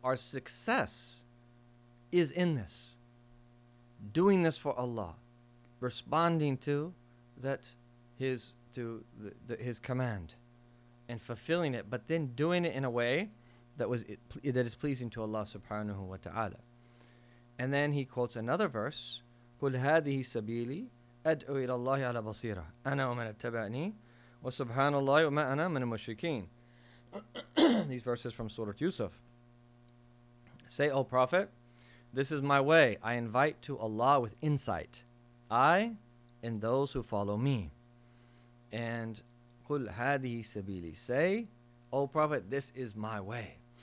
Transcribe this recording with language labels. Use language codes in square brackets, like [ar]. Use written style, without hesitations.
[en] Our success is in this, doing this for Allah, responding to his command and fulfilling it, but then doing it in a way that is pleasing to Allah subhanahu wa ta'ala. And then he quotes another verse, [ar] قُلْ هَذِهِ سَبِيلِي أَدْعُوا إِلَى اللَّهِ عَلَى بَصِيرَةٍ أَنَا وَمَنَ اتَّبَعْنِي وَسُبْحَانَ اللَّهِ وَمَا أَنَا مِنَ الْمُشْرِكِينَ. [en] These verses from Surah Yusuf. Say, O Prophet, this is my way. I invite to Allah with insight, I and those who follow me. And [ar] قُلْ هَذِهِ سَبِيلِي, [en] say, O Prophet, this is my way.